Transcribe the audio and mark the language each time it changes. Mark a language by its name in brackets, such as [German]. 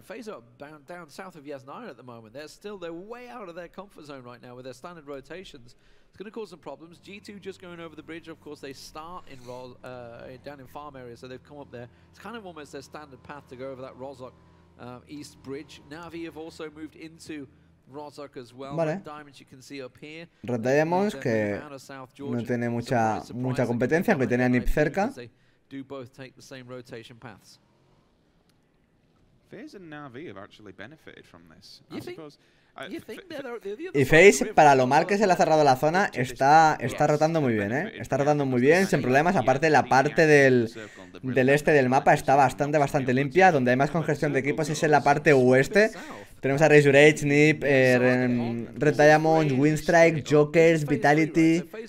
[English] Phase are bound down south of Yasna at the moment. They're way out of their comfort zone right now with their standard rotations. It's going to cause some problems. G2 just going over the bridge. Of course, they start in down in farm area, so they've come up there. It's kind of almost their standard path to go over that Rozok east bridge. Navi have also moved into Rozok as well. [Spanish] Vale. [English] Red Diamonds, you can see up here. [Spanish] Red Diamonds, que no tiene mucha competencia, aunque tiene a Nip cerca. [English] They do both take the same rotation paths. FaZe and Navi have actually benefited from this. [Spanish] Y FaZe, para lo mal que se le ha cerrado la zona, está rotando muy bien, ¿eh? Está rotando muy bien, sin problemas. Aparte, la parte del este del mapa está bastante limpia. Donde hay más congestión de equipos es en la parte oeste. Tenemos a Razor Edge, Nip, Red Diamond, Windstrike, Jokers, Vitality.